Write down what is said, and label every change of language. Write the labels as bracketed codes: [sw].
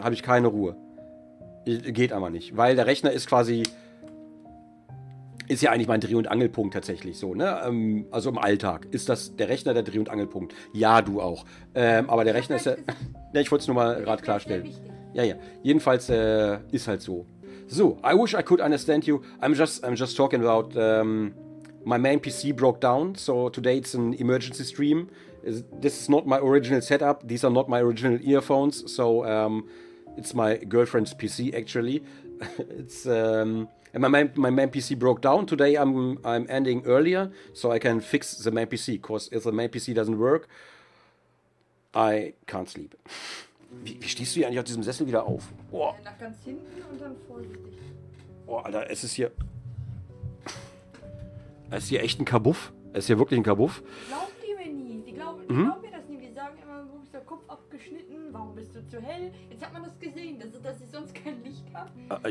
[de] Habe ich keine Ruhe. Geht aber nicht. Weil der Rechner ist quasi ist ja eigentlich mein Dreh- und Angelpunkt tatsächlich so, ne? Also im Alltag. Ist das der Rechner der Dreh- und Angelpunkt? Ja, du auch. Aber der Rechner ist ja. Ne, ich wollte es nur mal gerade klarstellen. Ja, ja. Jedenfalls ist halt so. [en] So, I wish I could understand you. I'm just talking about my main PC broke down. So today it's an emergency stream. This is not my original setup. These are not my original earphones. So it's my girlfriend's PC actually. It's and my main PC broke down today. I'm ending earlier so I can fix the main PC. Cause if the main PC doesn't work, I can't sleep. [de] Wie stehst du hier eigentlich auf diesem Sessel wieder auf? Oh. Nach ganz hinten und dann vorsichtig. Boah, Alter, es ist hier. Es ist hier echt ein Kabuff. Es ist hier wirklich ein Kabuff. Glauben die mir nie. Die glauben mir das nie. Die sagen immer, wo ist der Kopf abgeschnitten? Warum bist du zu hell? Jetzt hat man das gesehen, dass ich sonst kein Licht habe.